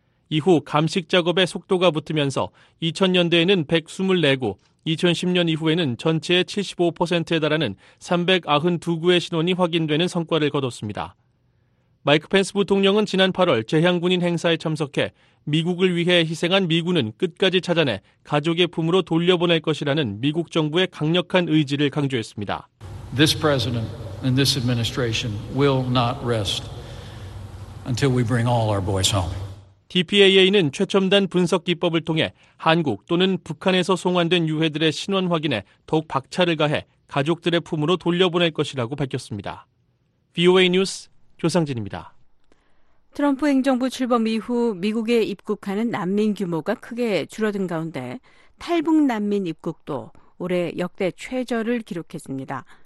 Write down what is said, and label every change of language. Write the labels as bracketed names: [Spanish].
[Korean] 이후 감식 작업의 속도가 붙으면서 2000년대에는 124구, 2010년 이후에는 전체의 75%에 달하는 392구의 신원이 확인되는 성과를 거뒀습니다. 마이크 펜스 부통령은 지난 8월 재향군인 행사에 참석해 미국을 위해 희생한 미군은 끝까지 찾아내 가족의 품으로 돌려보낼 것이라는 미국 정부의 강력한 의지를 강조했습니다. [English] This president and this administration will not rest until we bring all our boys home. [Korean] DPAA는 최첨단 분석 기법을 통해 한국 또는 북한에서 송환된 유해들의 신원 확인에 더욱 박차를 가해 가족들의 품으로 돌려보낼 것이라고 밝혔습니다. VOA 뉴스 조상진입니다. 트럼프 행정부 출범 이후 미국에 입국하는 난민 규모가 크게 줄어든 가운데 탈북 난민 입국도 올해 역대 최저를 기록했습니다.